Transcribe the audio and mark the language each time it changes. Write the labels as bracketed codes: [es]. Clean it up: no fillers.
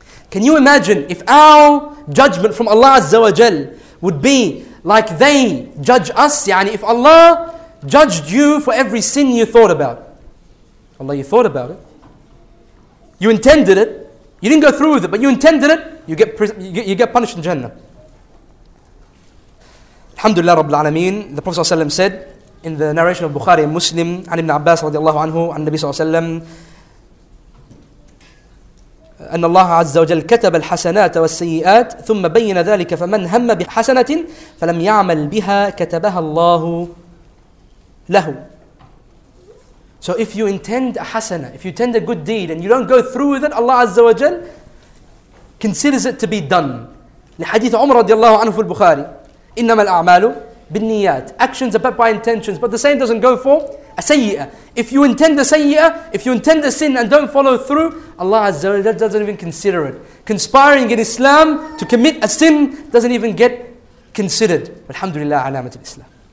[en] Can you imagine if our judgment from Allah Azza wa Jal would be like they judge us? Yani if Allah judged you for every sin you thought about. Allah, you thought about it. You intended it. You didn't go through with it, but you intended it. You get punished in Jannah. Alhamdulillah Rabbil Alameen. The Prophet ﷺ said in the narration of Bukhari and Muslim, [ar] عن ابن عباس رضي الله عنه عن النبي صلى الله عليه وسلم أن الله عز وجل كتب الحسنات والسيئات ثم بين ذلك فمن هم بحسنة فلم يعمل بها كتبها الله له. [en] So if you intend a hasana, if you intend a good deed and you don't go through with it, Allah Azza wa Jal considers it to be done. [ar] لحديث عمر رضي الله عنه في البخاري إنما الأعمال بالنيات. [en] Actions are but by intentions, but the same doesn't go for a sayyi'ah. If you intend a sayyi'ah, if you intend a sin and don't follow through, Allah Azza wa Jal doesn't even consider it. Conspiring in Islam to commit a sin doesn't even get considered. Alhamdulillah, alamat al-Islam.